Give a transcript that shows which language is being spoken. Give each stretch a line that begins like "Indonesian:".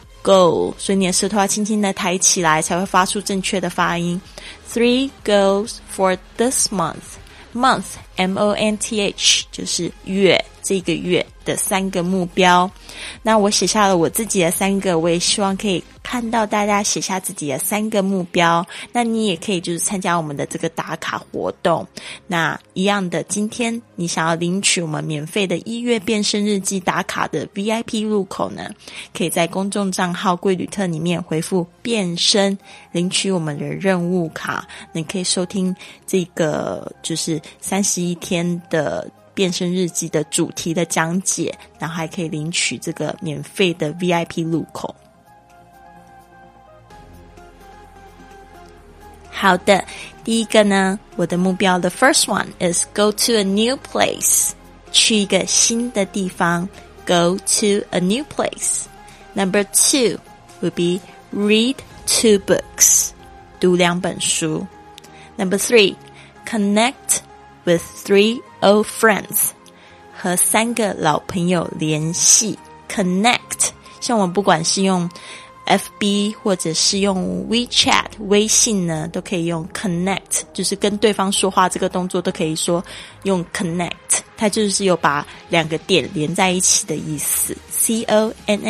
Chinese: Goal, 所以你的舌头要轻轻的抬起来才会发出正确的发音。
English: Three goals for this month.
Chinese: Month, M-O-N-T-H, 就是月，这个月的三个目标。那我写下了我自己的三个，我也希望可以看到大家写下自己的三个目标。那你也可以就是参加我们的这个打卡活动。那一样的，今天你想要领取我们免费的一月变身日记打卡的 VIP 入口呢，可以在公众账号贵旅特里面回复变身领取我们的任务卡。你可以收听这个就是31天的变身日记的主题的讲解，然后还可以领取这个免费的 VIP 入口。好的，第一个呢，我的目标
English: the first one is go to a new place,
Chinese: 去一个新的地方
English: go to a new place. Number two would be read two books,
Chinese: 读两本书。
English: Number three, connect with three old friends,
Chinese: 和三个老朋友联系 connect, 像我不管是用FB 或者是用 WeChat 微信呢，都可以用 connect, 就是跟对方说话这个动作都可以说用 connect, 它就是有把两个点连在一起的意思 C-O-N-N-E-C-T.